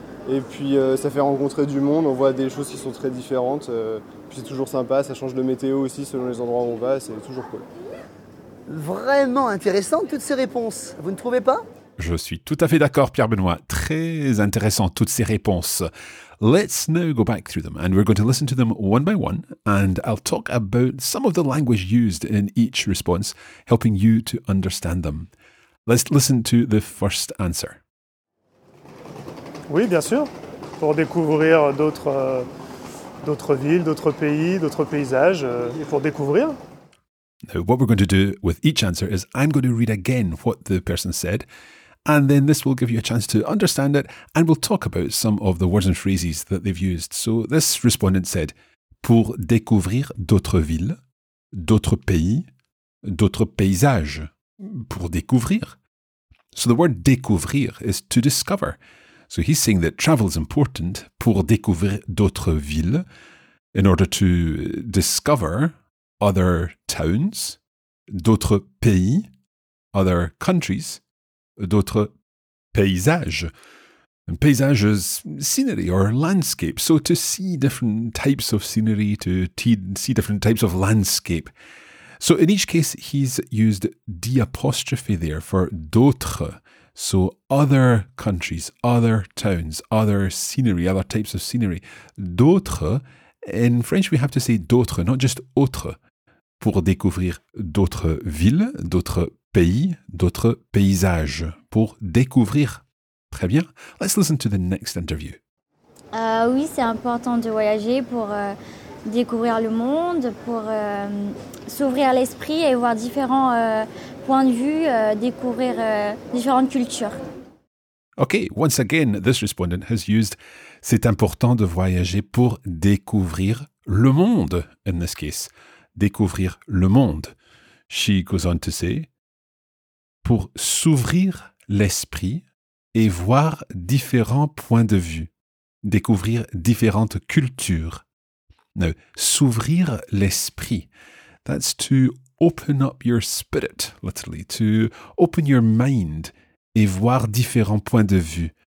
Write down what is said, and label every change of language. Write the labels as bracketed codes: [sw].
[fr] Et puis ça fait rencontrer du monde, on voit des choses qui sont très différentes. Puis c'est toujours sympa, ça change de météo aussi selon les endroits où on va, c'est toujours cool. Vraiment intéressant toutes ces réponses, vous ne trouvez pas? Je suis tout à fait d'accord, Pierre Benoit. Très intéressant toutes ces réponses. [en] Let's now go back through them and we're going to listen to them one by one and I'll talk about some of the language used in each response, helping you to understand them. Let's listen to the first answer. [fr] Oui, bien sûr, pour découvrir d'autres villes, d'autres pays, d'autres paysages, et pour découvrir. [en] Now, what we're going to do with each answer is I'm going to read again what the person said, and then this will give you a chance to understand it, and we'll talk about some of the words and phrases that they've used. So this respondent said, [fr] pour découvrir d'autres villes, d'autres pays, d'autres paysages, pour découvrir. [en] So the word découvrir is to discover. So he's saying that travel is important [fr] pour découvrir d'autres villes, [en] in order to discover other towns, [fr] d'autres pays, [en] other countries, [fr] d'autres paysages. [en] And paysage is scenery or landscape. So to see different types of scenery, to see different types of landscape. So in each case, he's used the apostrophe there for d'autres. So other countries, other towns, other scenery, other types of scenery. [fr] D'autres [en] In French, we have to say [fr] d'autres, [en] not just [fr] autres, pour découvrir d'autres villes, d'autres pays, d'autres paysages, pour découvrir. Très bien. [en] Let's listen to the next interview. [fr] Oui, c'est important de voyager pour découvrir le monde, pour s'ouvrir l'esprit et voir différents points de vue, découvrir différentes cultures. [en] OK, once again, this respondent has used « [fr] c'est important de voyager pour découvrir le monde [en] » in this case. [fr] Découvrir le monde. [en] She goes on to say [fr] « pour s'ouvrir l'esprit et voir différents points de vue. Découvrir différentes cultures. » [en] Now, [fr] s'ouvrir l'esprit. [en] That's to open up your spirit, literally. To open your mind [fr] et voir différents points de vue.